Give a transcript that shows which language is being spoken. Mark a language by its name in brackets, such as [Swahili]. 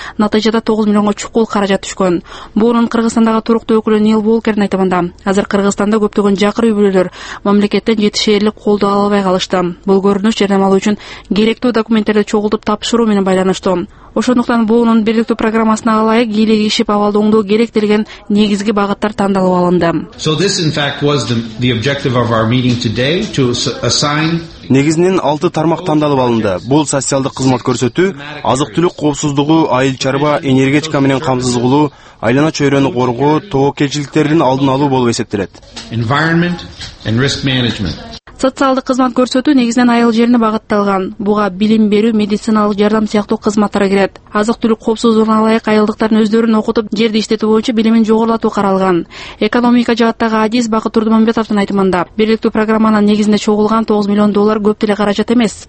[Kyrgyz] Натыйжада 9 миллионго чукул каражат түшкөн. Бунун Кыргызстандагы туруктуу өкүлү Нил Волкердин айтымында, азыр Кыргызстанда көптөгөн жакыр үйлөр мамлекеттен жетишээрлик колдоо ала албай калышты. Бул көрүнүш жардам алуу үчүн керектүү документтерди чогултуп тапшыруу менен байланыштуу. Ошондуктан буунун бирдиктүү программасына ылайык ийгилигишип абалды оңдоо керек делген негизги багыттар тандалып алынды. [English] So this in fact was the objective of our meeting today to assign. [Kyrgyz] Негизинен 6 тармак тандалып алынды. Бул социалдык кызмат көрсөтүү, азык-түлүк коопсуздугу, айыл чарба, энергетика менен камсыз кылуу, айлана чөйрөнү коргоо, тоокелчиликтердин алдын алуу болуп эсептелет. [English] Environment and risk management. [Kyrgyz] Социалдык кызмат көрсөтүү негизинен айыл жерине багытталган. Буга билим берүү, медициналык жардам сыяктуу кызматтар кирет. Азык-түлүк коопсуздугуна ылайык айылдыктардын өздөрүн окутуп, жерди иштетүү боюнча билимин жогорулатуу каралган. Экономика жааттагы Адис Бакыт Турдумамбетовдун айтымында, бирдиктүү программанын негизинде чогулган 9 миллион доллар көп деле каражат эмес.